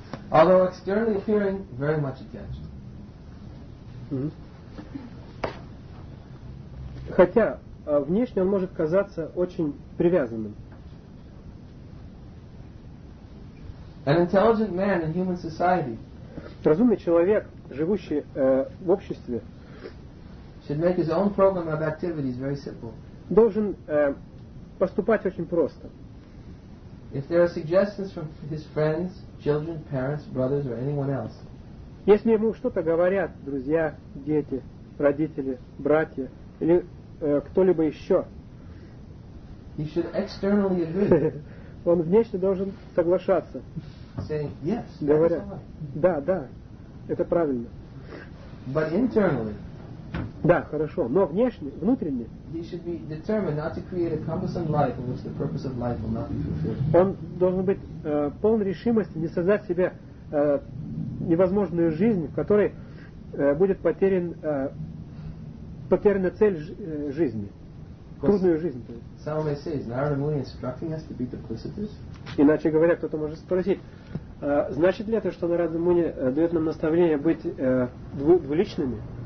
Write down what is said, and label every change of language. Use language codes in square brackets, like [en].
[en] Although externally appearing very much attached. [ru] Хотя внешне он может казаться очень привязанным. [en] An intelligent man in human society. [ru] Разумный человек, живущий в обществе, [en] should make his own program of activities very simple. [ru] Должен поступать очень просто. [en] If there are suggestions from his friends, children, parents, brothers, or anyone else. [ru] Если ему что-то говорят друзья, дети, родители, братья или кто-либо еще. [en] He should externally agree. [ru] Он внешне должен соглашаться. [en] Saying, yes, [ru] говоря, [en] that's right. [ru] Да, да, это правильно. [en] But internally. [ru] Да, хорошо. Но внешне, внутренне. [en] He should be determined not to create a cumbersome life in which the purpose of life will not be fulfilled. [ru] Он должен быть полон решимости не создать себе невозможную жизнь, в которой будет потеряна цель жизни. Трудную жизнь. [en] Some may say, is Narada Muni instructing us to be duplicitous? [ru] Иначе говоря, кто-то может спросить, значит ли это, что Нарада Муни дает нам наставление быть двуличными?